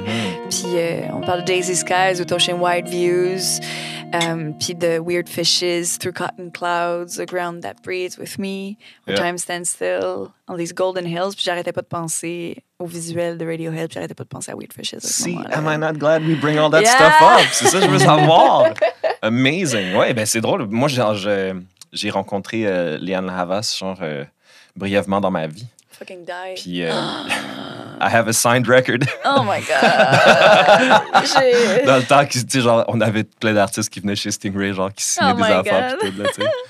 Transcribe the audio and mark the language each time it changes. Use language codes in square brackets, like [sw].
[en] Mm-hmm. [fr] Puis on parle de [en] Daisy Skies, Ocean Wide Views, [fr] puis de [en] Weird Fishes, Through Cotton Clouds, A Ground That Breathes With Me, yeah. Time Stands Still, On These Golden Hills. [fr] Puis j'arrêtais pas de penser au visuel de Radiohead, puis j'arrêtais pas de penser à Weird Fishes. [en] See, am I not glad we bring all that yeah. stuff up? [fr] C'est ça, je veux savoir. [en] Amazing. [fr] Ouais, ben c'est drôle. Moi, j'ai rencontré Leanne Havas, genre, brièvement dans ma vie. [en] Fucking die. Puis, I have a signed record. Oh my God. [fr] Dans le temps, tu sais, genre, on avait plein d'artistes qui venaient chez Stingray, genre, qui signaient des affaires, puis tout, là, tu sais.